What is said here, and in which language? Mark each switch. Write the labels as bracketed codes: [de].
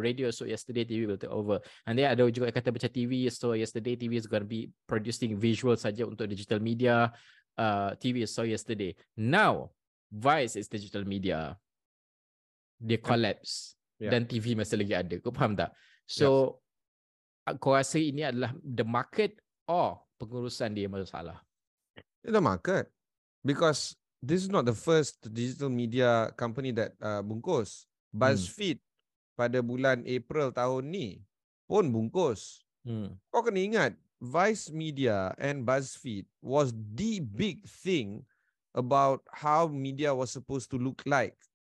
[en] Radio is so yesterday, TV will take over. And then [ms] ada juga kata macam [en] TV is so yesterday, TV is going to be producing visual [ms] saja untuk [en] digital media. TV is so yesterday. Now Vice is digital media. [ms] Dia collapse. Dan TV masih lagi ada. Kau faham tak? So kau rasa ini adalah [en] the market or [ms] pengurusan dia masalah? [en] The market. Because this is not the first digital media company that bungkus. [ms] BuzzFeed pada bulan April tahun ni pun bungkus. Kau kena ingat [en] Vice Media and BuzzFeed was the big thing about how media was supposed to look like.